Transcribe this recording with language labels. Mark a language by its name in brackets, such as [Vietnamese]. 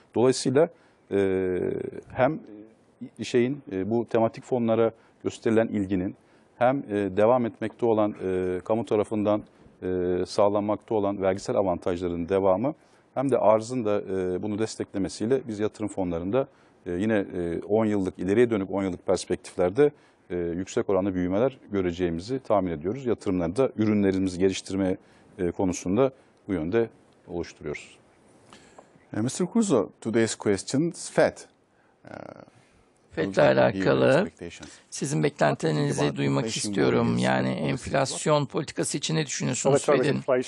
[Turkish] Dolayısıyla hem bu tematik fonlara gösterilen ilginin hem devam etmekte olan kamu tarafından sağlanmakta olan vergisel avantajların devamı hem de arzın da bunu desteklemesiyle biz yatırım fonlarında yine 10 yıllık ileriye dönük 10 yıllık perspektiflerde yüksek oranlı büyümeler göreceğimizi tahmin ediyoruz. Yatırımlarda ürünlerimizi geliştirme konusunda bu yönde oluşturuyoruz. [English] Mr. Kuzo, today's question is Fed. [Turkish] Fed'le alakalı sizin beklentilerinizi duymak istiyorum. Yani enflasyon politikası için ne düşünüyorsunuz Fed'in?